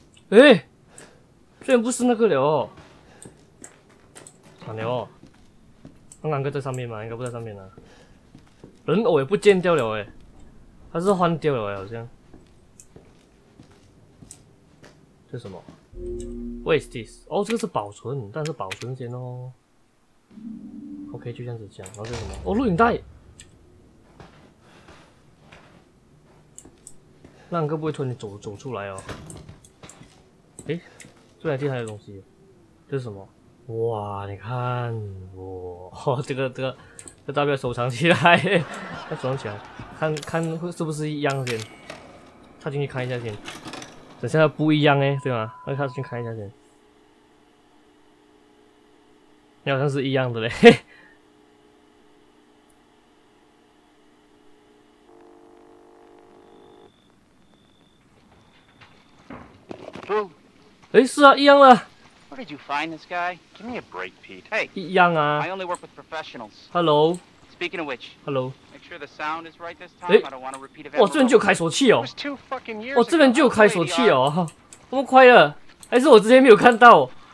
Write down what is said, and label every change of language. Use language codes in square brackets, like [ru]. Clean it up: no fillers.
[zh] 哎，居然不是那个了。哪里哦？那两个在上面吗？应该不在上面啊。人偶也不见掉了哎、欸，还是换掉了哎、欸，好像。这是什么 ？ [en] What is this？ [zh] 哦，这个是保存，但是保存间哦。OK， 就这样子讲。然后这是什么？哦，录影带。那个不会突然走出来哦。哎、欸，这台地上有东西，这是什么？哇，你看，哇，哦、这代表收藏起来，要收藏起来，看看是不是一样先，插进去看一下先，等下不一样哎，对吗？那插进去看一下先，你好像是一样的嘞， [en] Who? [zh] 诶，是啊，一样啊。 [en] Where did you find this guy? Give me a break, Pete. Hey. [zh] 一样啊。 [en] I only work with professionals. Hello. Speaking of which. Hello. Make sure the sound is right this time. I don't want to repeat it. [zh] 哇，这边就有开锁器哦。 [en] It was two fucking years. [zh] 哦，这边就有开锁器哦。那么快了，还是我之前没有看到。